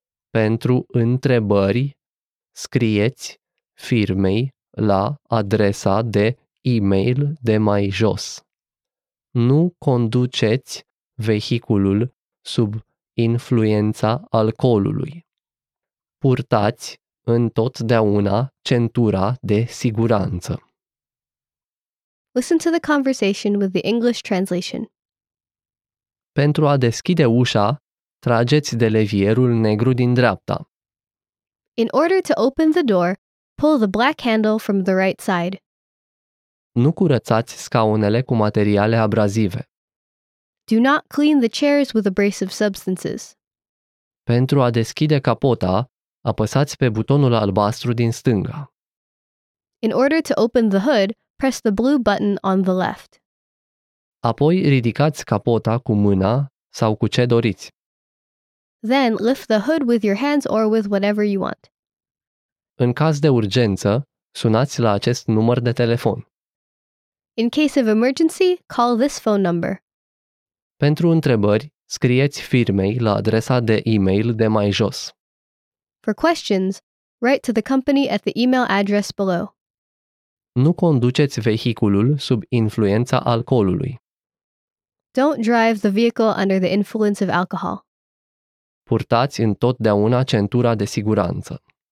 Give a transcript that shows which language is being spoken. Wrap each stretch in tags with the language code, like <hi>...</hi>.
<ro>Pentru întrebări, scrieți firmei la adresa de e-mail de mai jos. Nu conduceți vehiculul sub influența alcoolului. Purtați întotdeauna centura de siguranță.</ro> <en>Listen to the conversation with the English translation.</en> <ro>Pentru a deschide ușa, trageți de levierul negru din dreapta.</ro> <en>In order to open the door, pull the black handle from the right side.</en> <ro>Nu curățați scaunele cu materiale abrazive.</ro> <en>Do not clean the chairs with abrasive substances.</en> <ro>Pentru a deschide capota, apăsați pe butonul albastru din stânga.</ro> <en>In order to open the hood, press the blue button on the left.</en> <ro>Apoi ridicați capota cu mâna sau cu ce doriți.</ro> <en>Then lift the hood with your hands or with whatever you want.</en> <ro>În caz de urgență, sunați la acest număr de telefon.</ro> <en>In case of emergency, call this phone number.</en> <ro>Pentru întrebări, scrieți firmei la adresa de e-mail de mai jos.</ro> <en>For questions, write to the company at the email address below.</en> <ro>Nu conduceți vehiculul sub influența alcoolului.</ro> <en>Don't drive the vehicle under the influence of alcohol.</en> <ro>Purtați întotdeauna centura de siguranță.</ro>